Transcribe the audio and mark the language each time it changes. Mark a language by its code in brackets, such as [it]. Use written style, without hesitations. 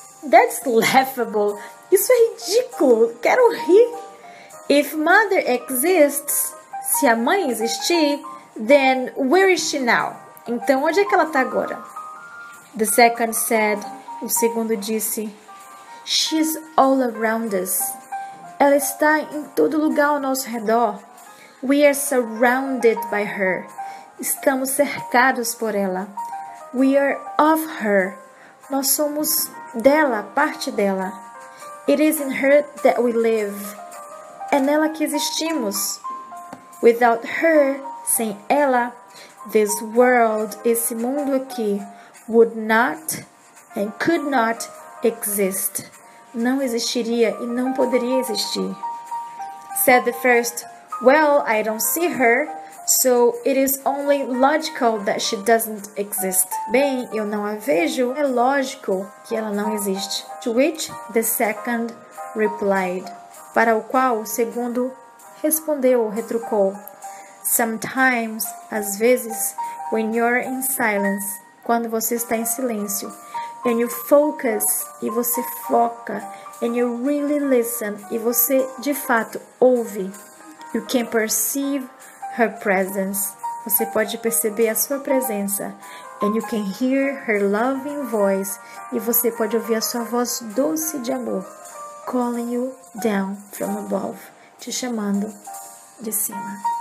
[en] That's laughable. [pt] Isso é ridículo. Quero rir. [en] If mother exists, [pt] se a mãe existir, [en] then where is she now? [pt] Então, onde é que ela está agora? [en] The second said, [pt] o segundo disse, [en] She's all around us. [pt] Ela está em todo lugar ao nosso redor. [en] We are surrounded by her. [pt] Estamos cercados por ela. [en] We are of her. [pt] Nós somos dela, parte dela. [en] It is in her that we live. [pt] É nela que existimos. [en] Without her, [pt] sem ela, [en] this world, [pt] esse mundo aqui, [en] would not and could not exist. [pt] Não existiria e não poderia existir. [en] Said the first, Well, I don't see her, so it is only logical that she doesn't exist. [pt] Bem, eu não a vejo, é lógico que ela não existe. [en] To which the second replied. [pt] Para o qual o segundo respondeu, retrucou. [en] Sometimes, [pt] às vezes, [en] when you're in silence, [pt] quando você está em silêncio, [en] and you focus, [pt] e você foca, [en] and you really listen, [pt] e você de fato ouve, [en] you can perceive her presence, [pt] você pode perceber a sua presença, [en] and you can hear her loving voice, [pt] e você pode ouvir a sua voz doce de amor, [en] calling you down from above, [pt] te chamando de cima.